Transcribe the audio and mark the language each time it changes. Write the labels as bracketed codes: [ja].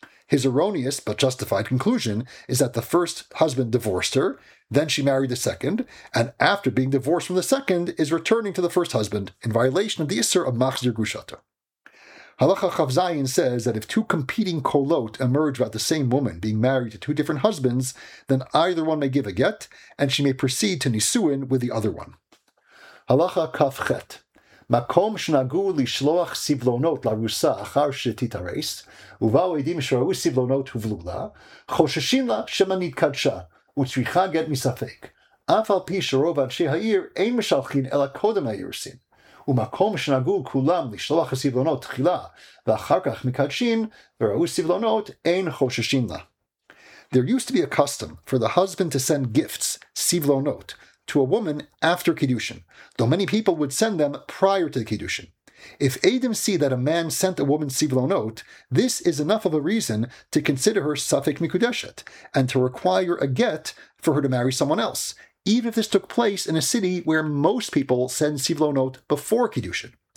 [en] His erroneous but justified conclusion is that the first husband divorced her, then she married the second, and after being divorced from the second, is returning to the first husband in violation of the Isser of Machzir Grushato. Halacha Chaf Zayin says that if two competing kolot emerge about the same woman being married to two different husbands, then either one may give a get, and she may proceed to Nisuin with the other one. Halacha Kaf Chet. [he] מקום שנהגו לשלוח סבלונות לרוסה אחר שתתארס, ובאו עדים שראו סבלונות הובלו לה, חוששים לה שמה נתקדשה, וצריכה גט מספק, אף על פי שרוב אנשי העיר אין משלחין אלא קודם האירסין. ומקום שנהגו כולם לשלוח הסבלונות תחילה, ואחר כך מקדשים, וראו סבלונות, אין חוששים לה. [en] There used to be a custom for the husband to send gifts, סבלונות, to a woman after Kiddushin, though many people would send them prior to the Kiddushin. If Edim see that a man sent a woman Sivlonot, this is enough of a reason to consider her Safek Mikudeshet, and to require a get for her to marry someone else, even if this took place in a city where most people send Sivlonot before Kiddushin.